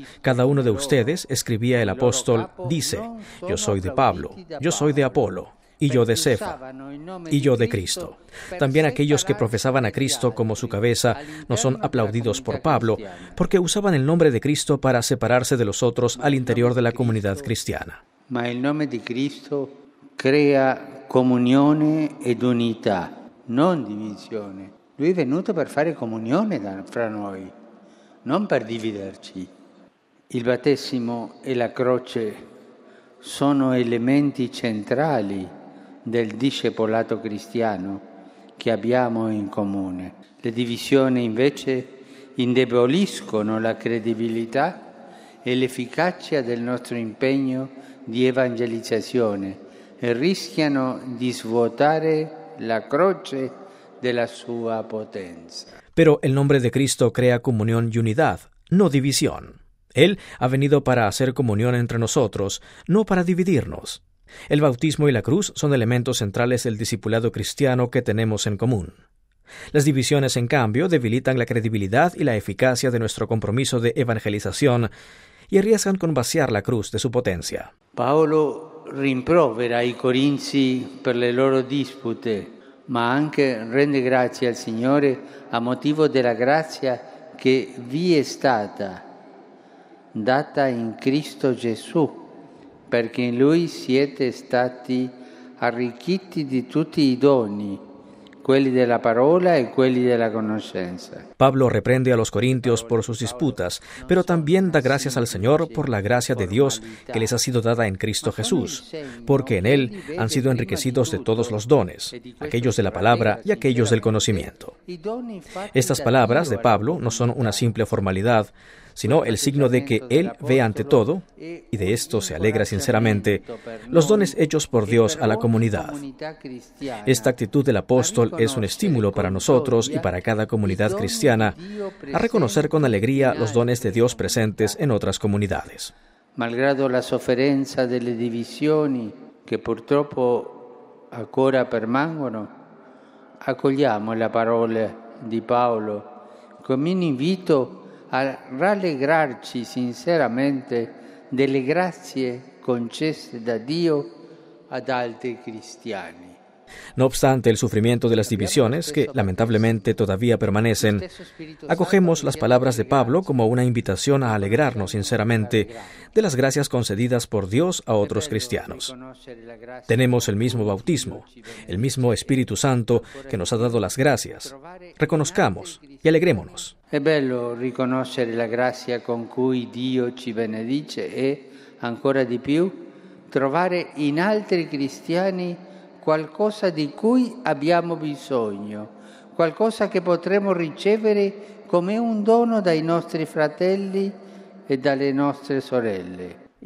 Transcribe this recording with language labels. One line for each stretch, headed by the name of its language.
Spanish: Cada uno de ustedes, escribía el apóstol, dice: yo soy de Pablo, yo soy de Apolo, y yo de Cefa, y yo de Cristo. También aquellos que profesaban a Cristo como su cabeza no son aplaudidos por Pablo, porque usaban el nombre de Cristo para separarse de los otros al interior de la comunidad cristiana.
Italian: Ma il nome di Cristo crea comunione ed unità, non divisione. Lui è venuto per fare comunione fra noi, non per dividerci. Il battesimo e la croce sono elementi centrali del discepolato cristiano che abbiamo in comune. Le divisioni invece indeboliscono la credibilità e l'efficacia del nostro impegno di evangelizzazione e rischiano di svuotare la croce della sua potenza.
Spanish: Però il nome di Cristo crea comunione e unità, non divisione. Él ha venido para hacer comunión entre nosotros, no para dividirnos. El bautismo y la cruz son elementos centrales del discipulado cristiano que tenemos en común. Las divisiones, en cambio, debilitan la credibilidad y la eficacia de nuestro compromiso de evangelización y arriesgan con vaciar la cruz de su potencia.
Italian: Paolo rimprovera i corinzi per le loro dispute, ma anche rende grazie al Signore a motivo della grazia che vi è stata data in Cristo Gesù, perché in Lui siete stati arricchiti di tutti i doni, quelli della parola e quelli della conoscenza.
Spanish: Pablo reprende a los corintios por sus disputas, pero también da gracias al Señor por la gracia de Dios que les ha sido dada en Cristo Jesús, porque en Él han sido enriquecidos de todos los dones, aquellos de la palabra y aquellos del conocimiento. Estas palabras de Pablo no son una simple formalidad, sino el signo de que él ve ante todo, y de esto se alegra sinceramente, los dones hechos por Dios a la comunidad. Esta actitud del apóstol es un estímulo para nosotros y para cada comunidad cristiana a reconocer con alegría los dones de Dios presentes en otras comunidades.
Italian: Malgrado la sofferenza delle divisioni che purtroppo ancora permangono, accogliamo la parola di Paolo come un invito a rallegrarci sinceramente delle grazie concesse da Dio ad altri cristiani.
Spanish: No obstante el sufrimiento de las divisiones, que lamentablemente todavía permanecen, acogemos las palabras de Pablo como una invitación a alegrarnos sinceramente de las gracias concedidas por Dios a otros cristianos. Tenemos el mismo bautismo, el mismo Espíritu Santo que nos ha dado las gracias. Reconozcamos y alegrémonos.
Italian: Es bello riconoscere la gracia con cui Dio ci benedice e, ancora di più, trovare in altri cristiani qualcosa di cui abbiamo bisogno, qualcosa che potremo ricevere come un dono dai nostri fratelli e dalle nostre sorelle.